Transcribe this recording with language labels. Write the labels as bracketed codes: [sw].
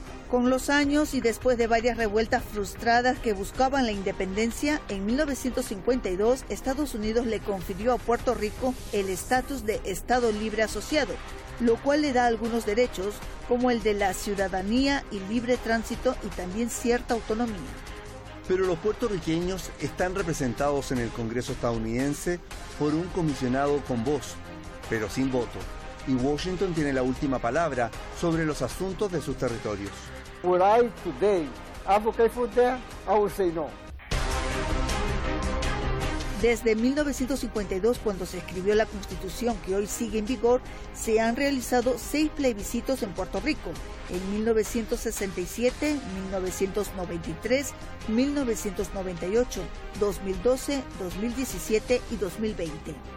[es] Con los años y después de varias revueltas frustradas que buscaban la independencia, en 1952 Estados Unidos le confirió a Puerto Rico el estatus de Estado Libre Asociado, lo cual le da algunos derechos, como el de la ciudadanía y libre tránsito y también cierta autonomía. Pero los puertorriqueños están representados en el Congreso estadounidense por un comisionado con voz, pero sin voto. Y Washington tiene la última palabra sobre los asuntos de sus territorios. [en] Would I today advocate for that? I would say no. [es] Desde 1952, cuando se escribió la Constitución que hoy sigue en vigor, se han realizado 6 plebiscitos en Puerto Rico, en 1967, 1993, 1998, 2012, 2017 y 2020.